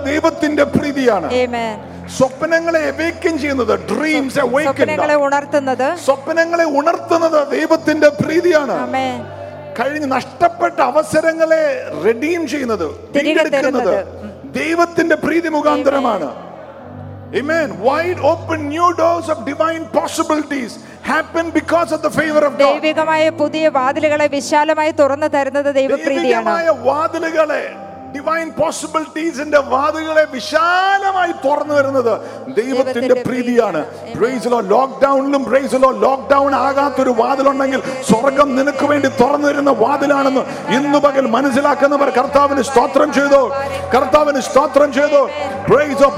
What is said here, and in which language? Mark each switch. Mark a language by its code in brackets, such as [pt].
[ml] ദൈവത്തിന്റെ പ്രീതിയാണ്. ആമേൻ. സ്വപ്നങ്ങളെ awaken ചെയ്യുന്നത്, dreams [en] awaken, [ml] സ്വപ്നങ്ങളെ ഉണർത്തുന്നത് ദൈവത്തിന്റെ പ്രീതിയാണ്. ആമേൻ. കഴിഞ്ഞ നഷ്ടപ്പെട്ട അവസരങ്ങളെ redeem ചെയ്യുന്നത്, തിരികെടുക്കുന്നത് ദൈവത്തിന്റെ പ്രീതി മുഖാന്തരമാണ്. Amen. [en] Wide open new doors of divine possibilities happen because of the favor of God. [ml] ദൈവികമായി പുതിയ വാതിലുകളെ വിശാലമായി തുറന്നു തരുന്നത് ദൈവപ്രീതിയാണ്. ദൈവികമായി വാതിലുകളെ, [en] divine possibilities [ml] ന്റെ വാതിലുകളെ വിശാലമായി തുറന്നു വരുന്നത് ദൈവത്തിന്റെ പ്രീതിയാണ്. [en] Praise the Lord. [ml] ലോക്ക്ഡൗണിലും [en] praise the Lord, [ml] lockdown ആകാത്ത ഒരു വാതിൽ ഉണ്ടെങ്കിൽ സ്വർഗം നിനക്ക് വേണ്ടി തുറന്നു വരുന്ന വാതിലാണെന്ന് ഇന്ന് പകൽ മനസ്സിലാക്കുന്നവർ കർത്താവിന് സ്തോത്രം ചെയ്തോ, കർത്താവിന് സ്തോത്രം ചെയ്തോ. [en] Praise the Lord.